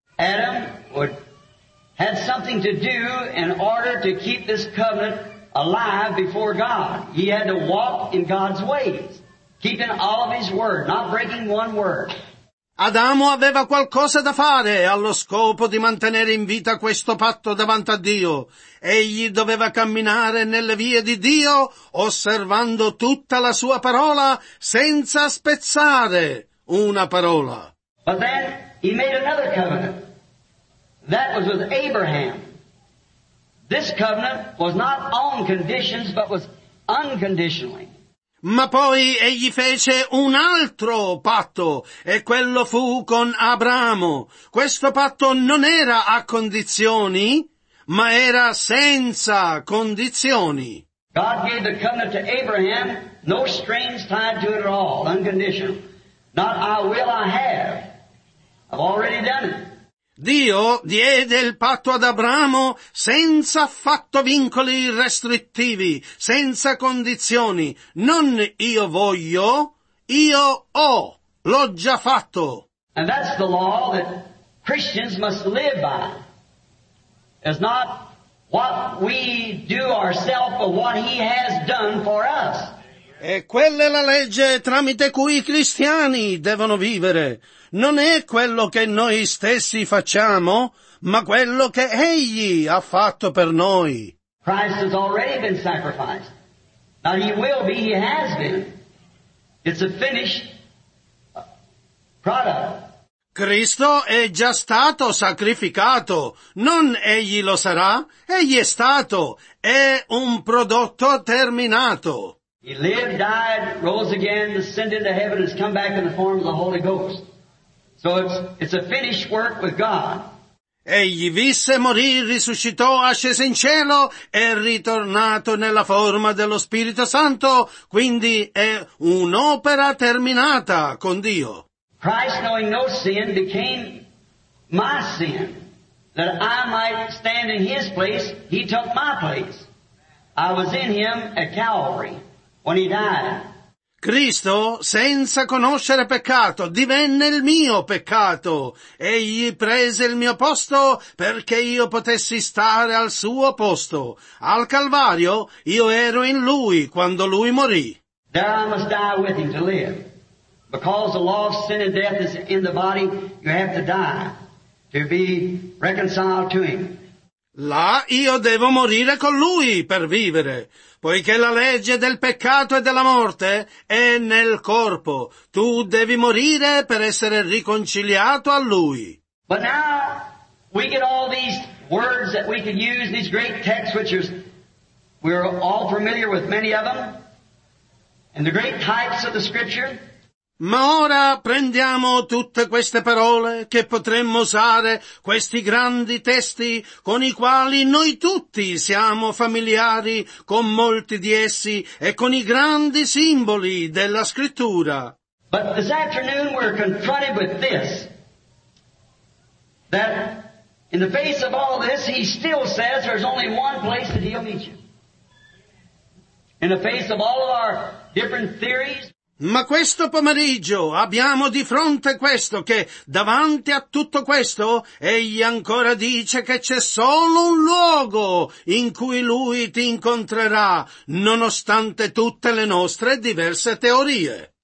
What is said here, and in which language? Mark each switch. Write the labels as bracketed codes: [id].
[en] Adam had something to do in order to keep this covenant alive before God. He had to walk in God's ways. Keeping all of his word, not breaking one word. [it] Adamo aveva qualcosa da fare allo scopo di mantenere in vita questo patto davanti a Dio. Egli doveva camminare nelle vie di Dio, osservando tutta la sua parola, senza spezzare una parola. [en] But then he made another covenant. That was with Abraham. This covenant was not on conditions, but was unconditionally. [it] Ma poi egli fece un altro patto, e quello fu con Abramo. Questo patto non era a condizioni, ma era senza condizioni. [en] God gave the covenant to Abraham, no strings tied to it at all, unconditional. Not I will, I have. I've already done it. [it] Dio diede il patto ad Abramo senza affatto vincoli restrittivi, senza condizioni. Non io voglio, io ho, l'ho già fatto. [en] And that's the law that Christians must live by. It's not what we do ourselves, but what He has done for us. [it] E quella è la legge tramite cui i cristiani devono vivere. Non è quello che noi stessi facciamo, ma quello che Egli ha fatto per noi. [en] Christ has already been sacrificed. Now He will be, He has been. It's a finished product. [it] Cristo è già stato sacrificato, non Egli lo sarà, Egli è stato, è un prodotto terminato. [en] He lived, died, rose again, ascended to heaven, has come back in the form of the Holy Ghost. So it's a finished work with God. [it] Egli visse, morì, risuscitò, ascese in cielo, è ritornato nella forma dello Spirito Santo, quindi è un'opera terminata con Dio. [en] Christ, knowing no sin, became my sin, that I might stand in His place, He took my place. I was in Him at Calvary when He died. [it] Cristo, senza conoscere peccato, divenne il mio peccato. Egli prese il mio posto perché io potessi stare al suo posto. Al Calvario, io ero in Lui quando Lui morì. [en] There I must die with Him to live. Because the law of sin and death is in the body, you have to die to be reconciled to Him. [it] Là io devo morire con Lui per vivere. Poiché la legge del peccato e della morte è nel corpo, tu devi morire per essere riconciliato a Lui. [en] But now we get all these words that we can use, these great texts which are, we're all familiar with many of them, and the great types of the Scripture. [it] Ma ora prendiamo tutte queste parole che potremmo usare, questi grandi testi con i quali noi tutti siamo familiari, con molti di essi e con i grandi simboli della Scrittura. [en] But this afternoon we're confronted with this, that in the face of all this He still says there's only one place that He'll meet you. In the face of all of our different theories. [it] Ma questo pomeriggio abbiamo di fronte questo, che davanti a tutto questo Egli ancora dice che c'è solo un luogo in cui Lui ti incontrerà, nonostante tutte le nostre diverse teorie.